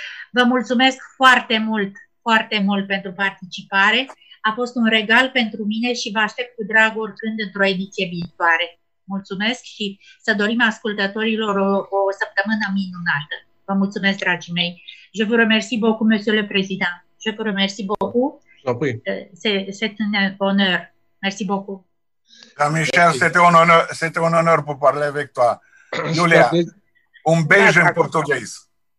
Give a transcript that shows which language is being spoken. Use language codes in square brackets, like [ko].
[ro] Vă mulțumesc foarte mult, foarte mult pentru participare. A fost un regal pentru mine și vă aștept cu drag oricând într-o ediție viitoare. Mulțumesc și să dorim ascultătorilor o săptămână minunată. Vă mulțumesc, dragii mei. [fr] Je vous remercie beaucoup, monsieur le président. Je vous remercie beaucoup. C'est un honneur. Merci beaucoup. Michel, c'est un honneur pour parler avec toi. [ro] Julia, [pt] un beijo [ro] în portughez.